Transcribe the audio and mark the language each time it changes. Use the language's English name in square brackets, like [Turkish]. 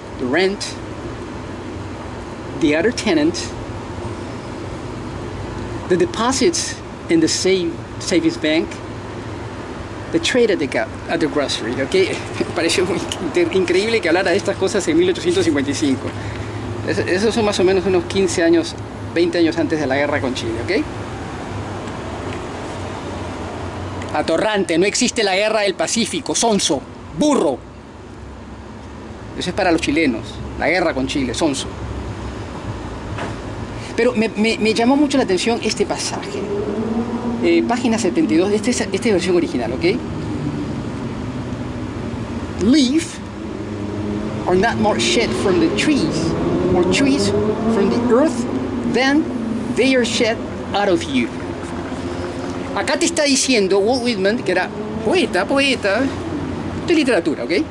[English] the rent, the other tenant, the deposits in the savings bank, the trade at the grocery, okay? [Spanish] Pareció increíble que hablara de estas cosas en 1855. Esos son más o menos unos 15 años, 20 años antes de la guerra con Chile, okay? Atorrante, no existe la guerra del Pacífico, sonso, burro. Eso es para los chilenos, la guerra con Chile, sonso. Pero me llamó mucho la atención este pasaje. Página 72, esta versión original, ¿ok? [English] Leaves are not more shed from the trees, or trees from the earth, than they are shed out of you. [Spanish] Acá te está diciendo Walt Whitman, que era poeta de literatura, ¿ok?